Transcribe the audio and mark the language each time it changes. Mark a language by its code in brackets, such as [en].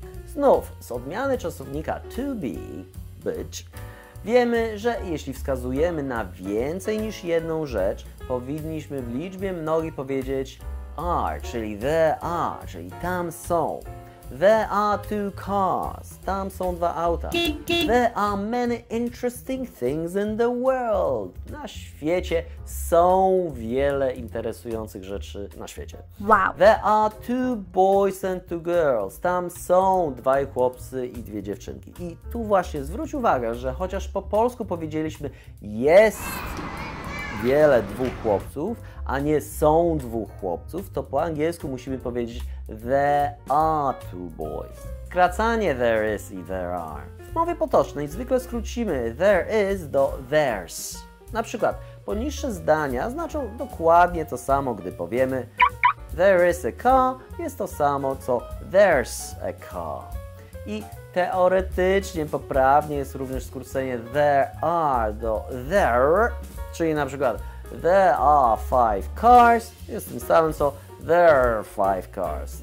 [pl] Znów, z odmiany czasownika to be, być, wiemy, że jeśli wskazujemy na więcej niż jedną rzecz, powinniśmy w liczbie mnogiej powiedzieć are, czyli there are, czyli tam są. [en] There are two cars, [pl] tam są dwa auta. [en] There are many interesting things in the world. [pl] Na świecie są wiele interesujących rzeczy na świecie. Wow. [en] There are two boys and two girls, [pl] tam są dwaj chłopcy i dwie dziewczynki. I tu właśnie zwróć uwagę, że chociaż po polsku powiedzieliśmy jest wiele dwóch chłopców, a nie są dwóch chłopców, to po angielsku musimy powiedzieć [en] there are two boys. [pl] Skracanie there is i there are. W mowie potocznej zwykle skrócimy there is do there's. Na przykład poniższe zdania znaczą dokładnie to samo, gdy powiemy [en] there is a car [pl] jest to samo, co [en] there's a car. [pl] I teoretycznie poprawnie jest również skrócenie there are do there, czyli na przykład [en] there are five cars [pl] jest tym samym, co there are five cars.